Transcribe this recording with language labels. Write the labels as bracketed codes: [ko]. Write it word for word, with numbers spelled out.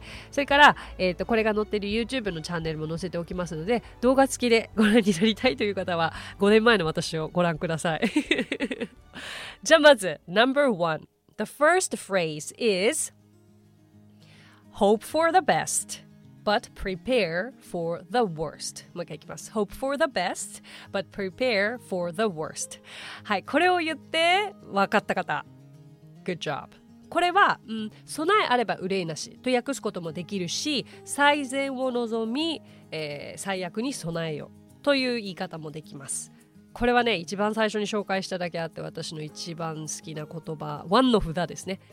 [ja] それから、えー、とこれが載っている YouTube のチャンネルも載せておきますので、動画付きでご覧になりたいという方はごねんまえの私をご覧くださいじゃあまず ナンバーワン [en] The first phrase is hope for the best, but prepare for the worst. [ja] もう一回いきます。 [en] Hope for the best, but prepare for the worst. [ja] はい、これを言って分かった方。 [en] Good job. [ja] これは、うん、備えあれば憂いなしと訳すこともできるし、最善を望み、えー、最悪に備えよという言い方もできます。これはね、一番最初に紹介しただけあって、私の一番好きな言葉、ワンの札ですね。